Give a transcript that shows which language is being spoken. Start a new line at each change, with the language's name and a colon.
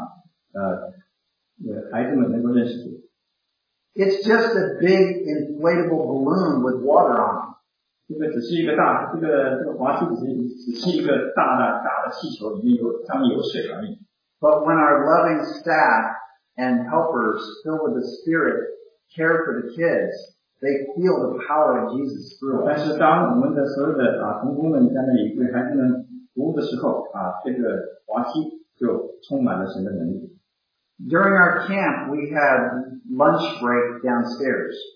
Chinese: 这个匠的信心就是更大，就是说，当我们有个这个水的这个滑梯在这时候，因为这个，孩子们能够认识主。
English: It's just a big inflatable balloon with water on.
Chinese: 这个只是一个大，这个滑梯只是一个大的气球，里面有上面有水而已。
English: But when our loving staff and helpers filled with the Spirit care for the kids, they feel the power of Jesus through us.
Chinese: 但是当我们的所有的同工们在那里为孩子们服务的时候，这个滑梯就充满了神的能力。
English: During our camp, we had lunch break downstairs.